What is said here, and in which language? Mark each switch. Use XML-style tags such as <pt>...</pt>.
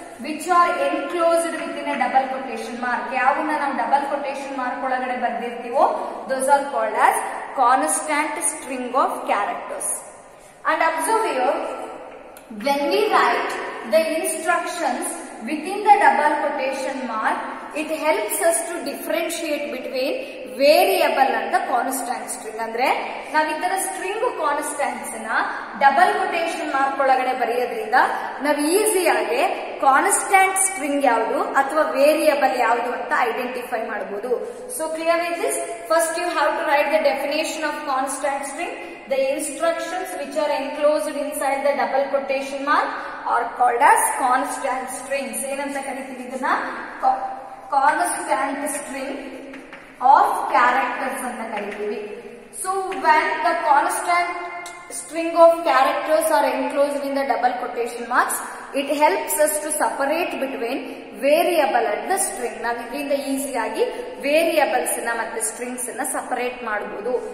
<en>which are enclosed within a double quotation mark.</en> <kn>ಯಾವನ್ನ ನಾವು double quotation mark ಒಳಗಡೆ ಬರೆದಿರ್ತೀವೋ</kn> <en>those are called as constant string of characters. And observe here, when we write the instructions within the double quotation mark, it helps us to differentiate between variable and the constant string.</en> <kn>ಅಂದ್ರೆ ನಾವು ಇತರ string constants ನ double quotation mark ಒಳಗಡೆ ಬರೆಯೋದ್ರಿಂದ ನಾವು ಈಸಿಯಾಗಿ constant string ಯಾವುದು ಅಥವಾ variable ಯಾವುದು ಅಂತ ಐಡೆಂಟಿಫೈ ಮಾಡಬಹುದು.</kn> <en>So clear is this? First you have to write the definition of constant string. The instructions which are enclosed inside the double quotation mark are called as constant strings.</en> <kn>ಏನಂತ ಕರಿತೀವಿ ಇದನ್ನ? Constant string of characters ಅಂತ ಕರಿತೀವಿ.</kn> <en>So when the constant string of characters are enclosed in the double quotation marks, it helps us to separate between variable and the string.</en> <kn>ನಾವಿದ್ರಿಂದ ಈಸಿಯಾಗಿ variables ನ ಮತ್ತೆ strings ನ separate ಮಾಡಬಹುದು.</kn>